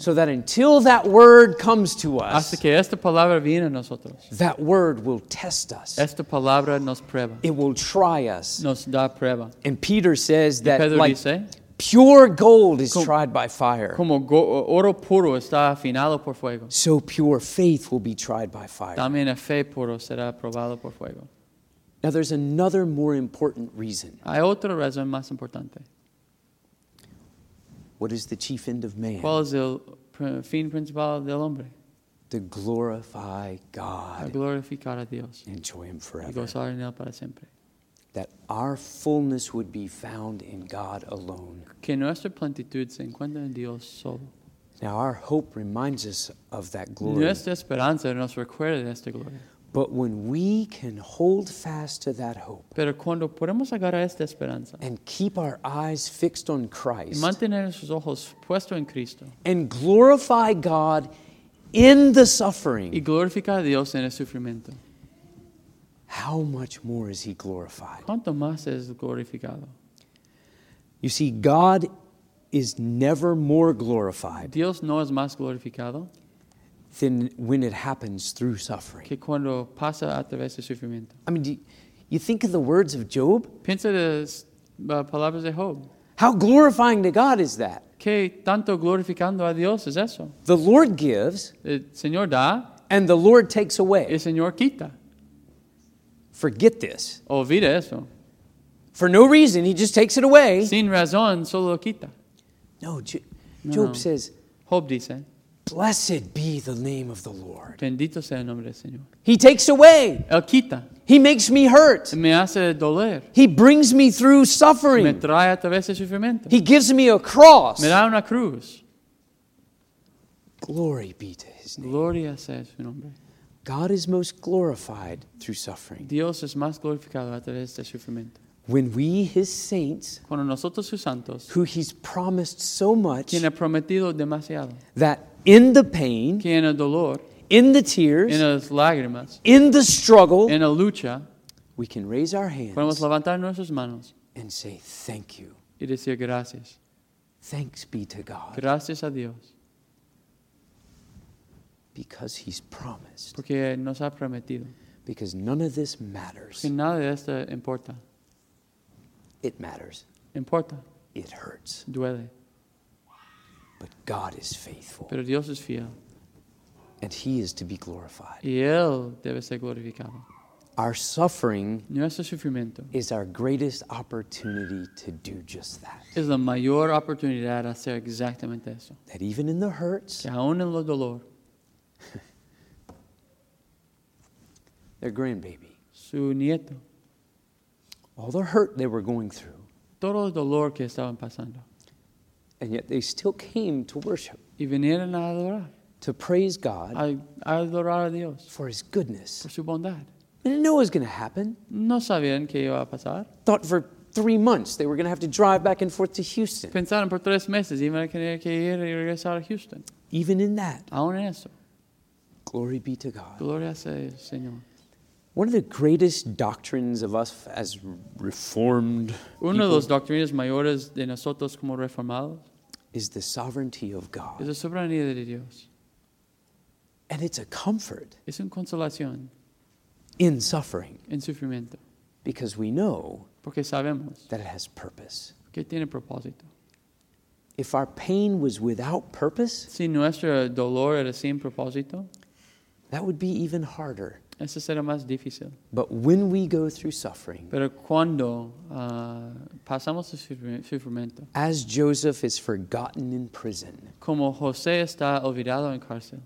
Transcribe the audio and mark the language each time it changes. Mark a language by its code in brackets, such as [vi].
[en] So that until that word comes to us. [es] Hasta que esta palabra viene a nosotros. [en] That word will test us. [es] Esta palabra nos prueba. [en] It will try us. [es] Nos da prueba. [en] And Peter says [es] y [en] that [es] Pedro [en] like [es] dice, [en] pure gold is tried by fire. [es] Como oro puro está afinado por fuego. [en] So pure faith will be tried by fire. [es] También el fe puro será probado por fuego. [en] Now there's another more important reason. [es] Hay otra razón más importante. [en] What is the chief end of man? [es] ¿Cuál es el fin principal del hombre? [en] To glorify God. [es] A glorificar a Dios. [en] Enjoy him forever. [es] Y gozar en él para siempre. [en] That our fullness would be found in God alone. [es] Que nuestra plenitud se encuentre en Dios solo. [en] Now our hope reminds us of that glory. [es] Nuestra esperanza nos recuerda de esta gloria. [en] But when we can hold fast to that hope, [es] pero cuando podemos agarrar esta esperanza, [en] and keep our eyes fixed on Christ, [es] y mantener nuestros ojos puestos en Cristo, [en] and glorify God in the suffering, [es] y glorificar a Dios en el sufrimiento, [en] how much more is he glorified? [es] ¿Cuánto más es glorificado? [en] You see, God is never more glorified. [es] Dios no es más glorificado. [en] Than when it happens through suffering. [es] Que cuando pasa a través de sufrimiento. [en] I mean, you think of the words of Job? [es] Piensa las palabras de Job. [en] How glorifying to God is that? [es] Que tanto glorificando a Dios es eso? [en] The Lord gives. [es] El Señor da. [en] And the Lord takes away. [es] El Señor quita. [en] Forget this. [es] Olvida eso. [en] For no reason, he just takes it away. [es] Sin razón, solo lo quita. [en] No, Job says, [es] Job dice, [en] blessed be the name of the Lord. [es] Bendito sea el nombre del Señor. [en] He takes away. [es] Él quita. [en] He makes me hurt. [es] Me hace doler. [en] He brings me through suffering. [es] Me trae a través del sufrimiento. [en] He gives me a cross. [es] Me da una cruz. [en] Glory be to his name. [es] Gloria sea su nombre. [en] God is most glorified through suffering. [es] Dios es más glorificado a través del sufrimiento. [en] When we, his saints, [es] cuando nosotros, sus santos, [en] who he's promised so much, [es] quien ha prometido demasiado, [en] that in the pain, [es] que en el dolor, [en] in the tears, [es] en las lágrimas, [en] in the struggle, [es] en la lucha, [en] we can raise our hands, [es] podemos levantar nuestras manos, [en] and say thank you. [es] Y decir gracias. [en] Thanks be to God. [es] Gracias a Dios. [en] Because he's promised. [es] Porque nos ha prometido. [en] Because none of this matters. [es] Porque nada de esto importa. [en] It matters. [es] Importa. [en] It hurts. [es] Duele. [en] But God is faithful. [es] Pero Dios es fiel. [en] And he is to be glorified. [es] Y él debe ser glorificado. [en] Our suffering, [es] nuestro sufrimiento, [en] is our greatest opportunity to do just that. [es] Es la mayor oportunidad de hacer exactamente eso. [en] That even in the hurts, [es] que aún en lo dolor, [en] their grandbaby, [es] su nieto, [en] all the hurt they were going through, [es] todo el dolor que estaban pasando, [en] and yet they still came to worship. [es] Y vinieron a adorar. [en] To praise God [es] adorar a Dios [en] for his goodness. [es] Por su bondad. [en] They didn't know it was going to happen. [es] No sabían que iba a pasar. [en] Thought for 3 months they were going to have to drive back and forth to Houston. [es] Pensaron por 3 meses iban a tener que ir y regresar a Houston. [en] Even in that. [es] Aún en eso. [en] Glory be to God. [es] Gloria sea el Señor. [en] One of the greatest doctrines of us as reformed people. [es] Uno de los doctrinas mayores de nosotros como reformados. [en] Is the sovereignty of God. [es] Es la soberanía de Dios. [en] And it's a comfort. [es] Es una consolación. [en] In suffering. [es] En sufrimiento. [en] Because we know. [es] Porque sabemos. [en] That it has purpose. [es] Que tiene propósito. [en] If our pain was without purpose. [es] Si nuestro dolor era sin propósito. [en] That would be even harder. [es] Eso sería más difícil. [en] But when we go through suffering. [es] Pero cuando pasamos el sufrimiento. [en] As Joseph is forgotten in prison. [es] Como José está olvidado en cárcel.